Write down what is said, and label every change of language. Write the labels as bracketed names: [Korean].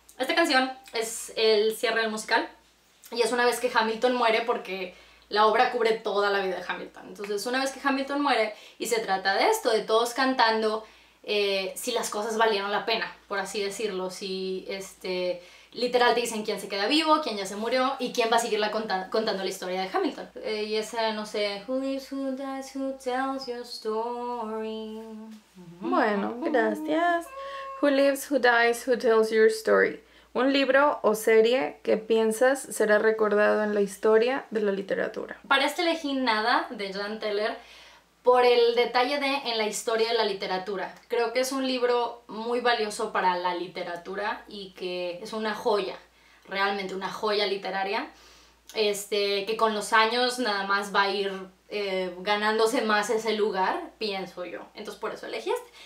[Spanish] Esta canción es el cierre del musical y es una vez que Hamilton muere porque la obra cubre toda la vida de Hamilton. Entonces, una vez que Hamilton muere y se trata de esto, de todos cantando si las cosas valieron la pena, por así decirlo. Si, literal te dicen quién se queda vivo, quién ya se murió y quién va a seguirla contando la historia de Hamilton. Y esa, no sé, [English] who lives, who dies, who tells your story. [Spanish] Bueno, gracias. [English] Who lives, who dies, who tells your story. [Spanish] Un libro o serie que piensas será recordado en la historia de la literatura. Para este elegí Nada, de Jean Teller, por el detalle de en la historia de la literatura. Creo que es un libro muy valioso para la literatura y que es una joya, realmente una joya literaria, que con los años nada más va a ir ganándose más ese lugar, pienso yo. Entonces por eso elegí este.